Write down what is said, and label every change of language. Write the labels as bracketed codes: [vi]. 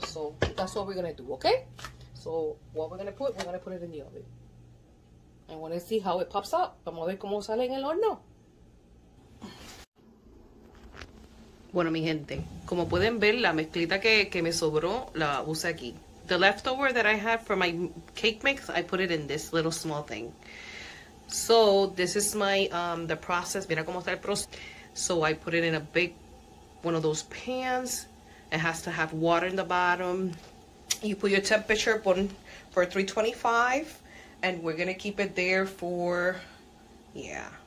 [en] So that's what we're going to do, okay? So what we're going to put, we're going to put it in the oven. I want to see how it pops up. [es] Vamos a ver cómo sale en el horno. Bueno, mi gente, como pueden ver, la mezclita que me sobró, la puse aquí. [en] The leftover that I had for my cake mix, I put it in this little small thing. So, this is my, the process. [es] Mira cómo está el proceso. [en] So, I put it in a big, one of those pans. It has to have water in the bottom. You put your temperature for 325, and we're going to keep it there for, yeah.